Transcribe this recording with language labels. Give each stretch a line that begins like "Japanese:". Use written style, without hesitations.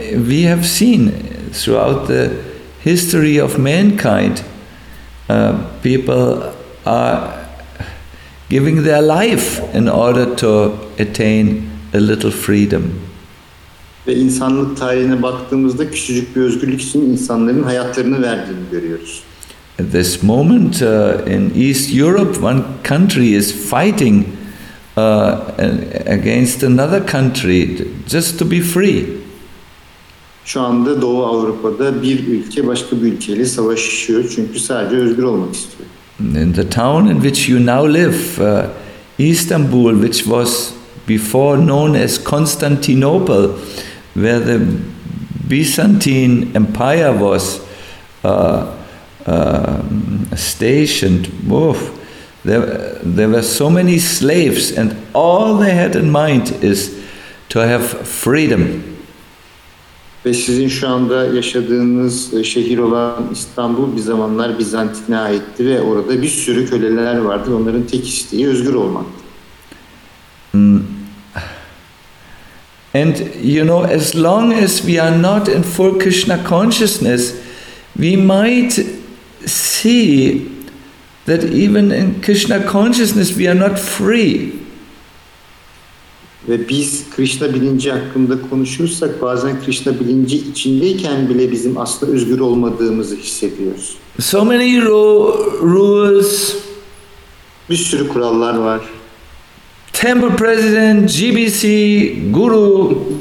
English: We have seen throughout the history of mankind people are giving their life in order to attain a little freedom.
Turkish: Ve insanlık tarihine baktığımızda küçücük bir özgürlük için insanların hayatlarını verdiğini görüyoruz.
English: At this moment in East Europe, one country is fighting against another country just to be free.
Turkish: Şu anda Doğu Avrupa'da bir ülke başka bir ülkeyle savaşıyor çünkü sadece özgür olmak istiyor.
English: In the town in which you now live, Istanbul, which was before known as Constantinople, where the Byzantine Empire was stationed, there were so many slaves, and all they had in mind is to have freedom.
Turkish: Ve sizin şu anda yaşadığınız şehir olan İstanbul bir zamanlar Bizans'a aitti ve orada bir sürü köleler vardı. Onların tek isteği özgür olmaktı.
English: And you know, as long as we are not in full Krishna consciousness, we might see that even in Krishna consciousness we are not free.
Turkish: Ve biz Krishna bilinci hakkında konuşursak bazen Krishna bilinci içindeyken bile bizim aslında özgür olmadığımızı hissediyoruz.
English: So many rules.
Turkish: Bir sürü kurallar var.
English: Temple president, GBC, guru.